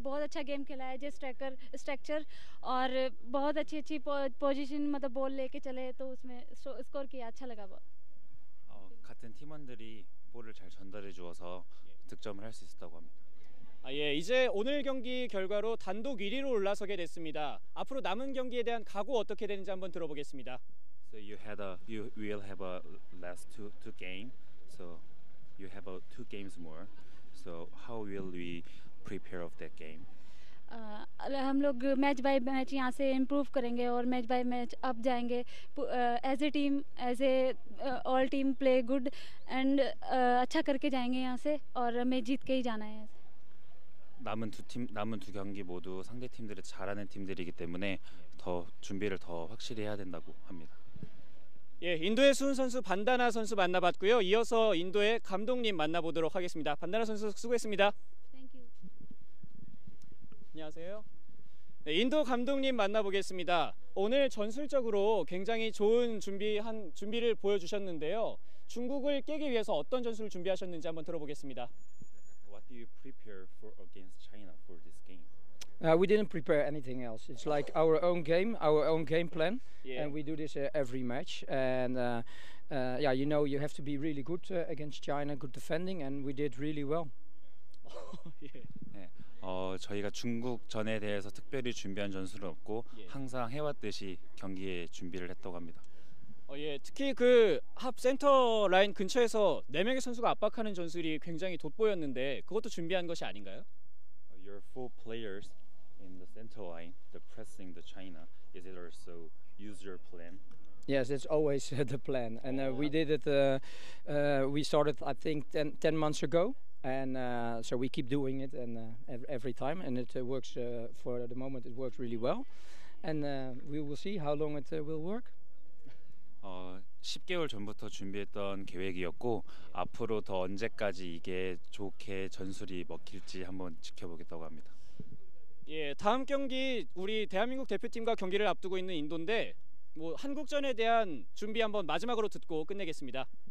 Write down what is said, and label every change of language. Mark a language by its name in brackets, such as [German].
[Hindi] बहुत अच्छा गेम खेला है. जो स्ट्रक्चर और बहुत अच्छी अच्छी पोजीशन मतलब बॉल लेके चले तो उसमें स्कोर किया. अच्छा लगा बहुत. [Korean] 같은 팀원들이 볼을 잘 전달해 주어서 득점을 할 수 있었다고 합니다. 아, 예. 이제 오늘 경기 결과로 단독 1위로 올라서게 됐습니다. 앞으로 남은 경기에 대한 각오 어떻게 되는지 한번 들어보겠습니다. [English] So you had a you will have a last two game. So you have a two games more. So how will we prepare of that game? [Hindi] हम लोग मैच बाय मैच यहां से इंप्रूव करेंगे और मैच बाय मैच अप जाएंगे. [English] as a team as a all team play good and [Hindi] अच्छा करके जाएंगे यहां से और हमें जीत के ही जाना है. [Korean] 남은 두 경기 모두 상대 팀들이 잘하는 팀들이기 때문에 더 준비를 더 확실히 해야 된다고 합니다. 예, 인도의 수훈 선수 반다나 선수 만나봤고요. 이어서 인도의 감독님 만나보도록 하겠습니다. 반다나 선수 수고했습니다. [English] Thank you. [Korean] 안녕하세요. 네, 인도 감독님 만나보겠습니다. 오늘 전술적으로 굉장히 좋은 준비를 보여주셨는데요. 중국을 깨기 위해서 어떤 전술을 준비하셨는지 한번 들어보겠습니다. [English] What do you prepare for against China for this game? We didn't prepare anything else. It's like our own game, our own game plan. Yeah. And we do this every match. And yeah, you know, you have to be really good against China, good defending, and we did really well. Yeah. [Korean] 저희가 중국전에 대해서 특별히 준비한 전술은 없고 항상 해왔듯이 경기에 준비를 했다고 합니다. 예, 특히 그 합 센터 라인 근처에서 네 명의 선수가 압박하는 전술이 굉장히 돋보였는데 그것도 준비한 것이 아닌가요? [English] Your four players in the center line, the pressing the China, is it also user plan? Yes, it's always the plan, and we did it. We started, I think, 10 months ago, and so we keep doing it, and every time, and it works for the moment. It works really well, and we will see how long it will work. [Korean] 10개월 전부터 준비했던 계획이었고 앞으로 더 언제까지 이게 좋게 전술이 먹힐지 한번 지켜보겠다고 합니다. 예, 다음 경기 우리 대한민국 대표팀과 경기를 앞두고 있는 인도인데 뭐 한국전에 대한 준비 한번 마지막으로 듣고 끝내겠습니다.